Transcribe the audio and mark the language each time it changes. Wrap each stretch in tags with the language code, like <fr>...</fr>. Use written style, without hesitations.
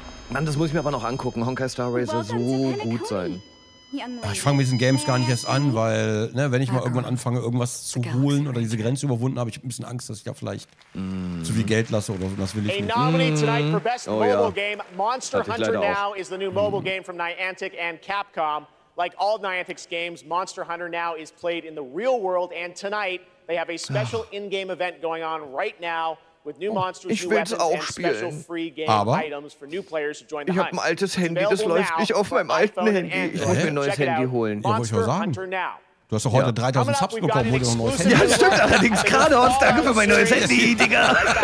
<de>Mann, das muss ich mir aber noch angucken. Honkai Star Rail soll so gut sein. Ich fange mit diesen Games gar nicht erst an, weil, ne, wenn ich mal irgendwann anfange, irgendwas zu holen oder diese Grenze überwunden habe, ich ein bisschen Angst, dass ich da vielleicht zu viel Geld lasse oder so. Das will ich nicht.</de> <en>Monster Hunter Now is the new mobile game from Niantic and Capcom. Like all Niantic's games, Monster Hunter Now is played in the real world and tonight they have a special in-game event going on right now. With new monsters,</en> <de>ich will es auch spielen, aber ich habe ein altes Handy, das läuft nicht auf meinem alten Handy. Ich muss mir ein neues Handy holen. Ja, wollte ich mal sagen. Du hast doch heute 3000 Subs bekommen, wo du noch ein neues Handy hast. Ja, stimmt allerdings. Gerade aus. Danke für mein neues Handy, Digga.</de>